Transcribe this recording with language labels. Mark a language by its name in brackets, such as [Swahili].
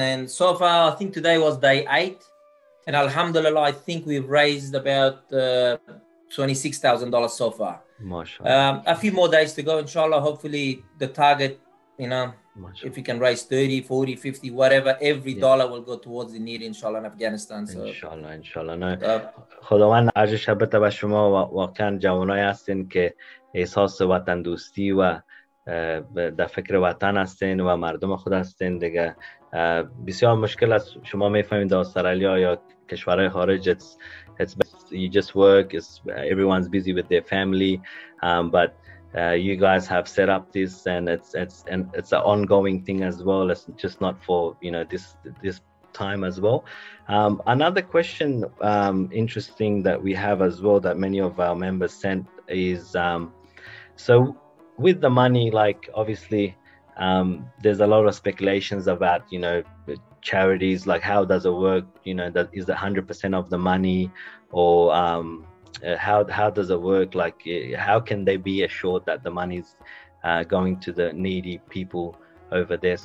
[English] And so far, I think today was day 8. And alhamdulillah, I think we've raised about $26,000 so far. MashaAllah. A few more days to go, inshallah. Hopefully the target, you know, mashallah, if we can raise 30, 40, 50, whatever, every dollar will go towards the need, inshallah, in Afghanistan. So, inshallah, inshallah. No. [Persian] خداوند عرضش بده به شما، واقعا جوانای هستین که احساس وطن دوستی و در فکر وطن هستین و مردم خود هستین. دیگه بسیار مشکل است، شما میفهمید، استرالیا یا کشورهای خارج. [English] You just work, everyone's busy with their family, but you guys have set up this, and it's an ongoing thing as well. It's just not for, you know, this time as well. Another question, interesting, that we have as well, that many of our members sent, is so with the money, like obviously there's a lot of speculations about, you know, charities, like how does it work, you know, that is 100% of the money, or how does it work, like how can they be assured that the money's going to the needy people over there?